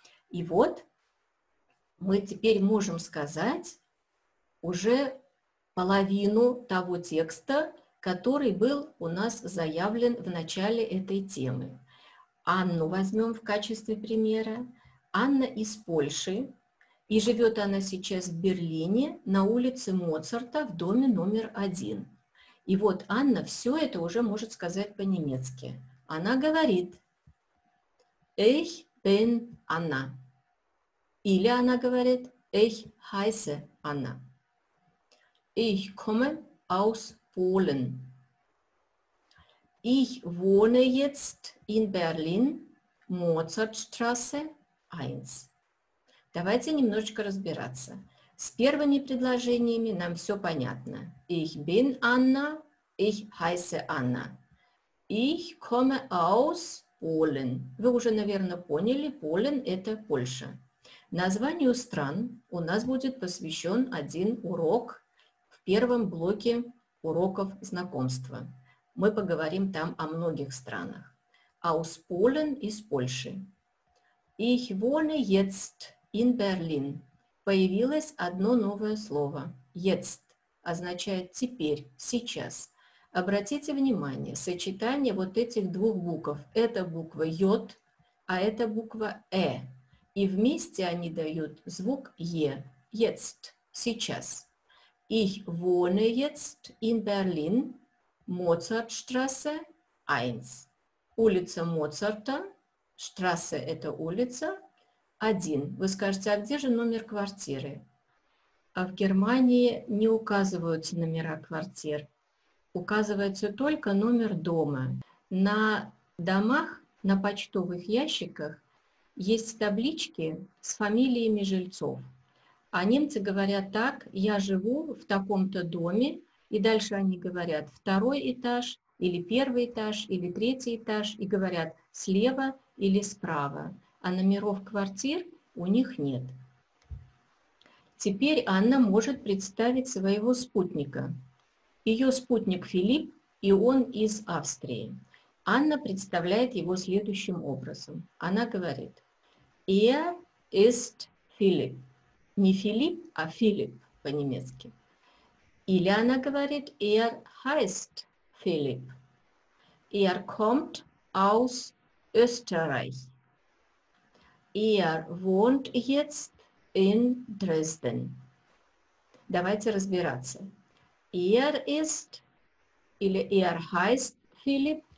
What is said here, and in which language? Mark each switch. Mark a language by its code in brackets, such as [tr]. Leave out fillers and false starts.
[ru] И вот мы теперь можем сказать уже половину того текста, который был у нас заявлен в начале этой темы. Анну возьмем в качестве примера. Анна из Польши, и живет она сейчас в Берлине, на улице Моцарта, в доме номер 1. И вот Анна все это уже может сказать по-немецки. Она говорит [de] «Ich bin Anna». [ru] Или она говорит [de] «Ich heiße Anna». «Ich komme aus Polen». Ich wohne jetzt in Berlin, Моцартштрассе 1. [ru] Давайте немножечко разбираться. С первыми предложениями нам все понятно. [de] Ich bin Anna, ich heiße Anna. Ich komme aus Polen. [ru] Вы уже, наверное, поняли, Polen – это Польша. Названию стран у нас будет посвящен один урок в первом блоке уроков знакомства. Мы поговорим там о многих странах. [de] Aus Polen, [ru] из Польши. [de] Ich wohne jetzt in Berlin. [ru] Появилось одно новое слово. Jetzt означает теперь, сейчас. Обратите внимание, сочетание вот этих двух букв. Это буква J, а это буква E. И вместе они дают звук E. Jetzt, сейчас. [de] Ich wohne jetzt in Berlin, Моцартштрассе 1. [ru] Улица Моцарта, штрассе – это улица, 1. Вы скажете, а где же номер квартиры? А в Германии не указываются номера квартир. Указывается только номер дома. На домах, на почтовых ящиках есть таблички с фамилиями жильцов. А немцы говорят так, я живу в таком-то доме, и дальше они говорят, второй этаж, или первый этаж, или третий этаж, и говорят, слева или справа. А номеров квартир у них нет. Теперь Анна может представить своего спутника. Ее спутник Филипп, и он из Австрии. Анна представляет его следующим образом. Она говорит, [de] «Er ist Philipp». [ru] Не Филипп, а Филипп по-немецки. Или она говорит, [de] «Er heißt Philipp». «Er kommt aus Österreich». «Er wohnt jetzt in Dresden». [ru] Давайте разбираться. [de] «Er ist» или «Er heißt Philipp».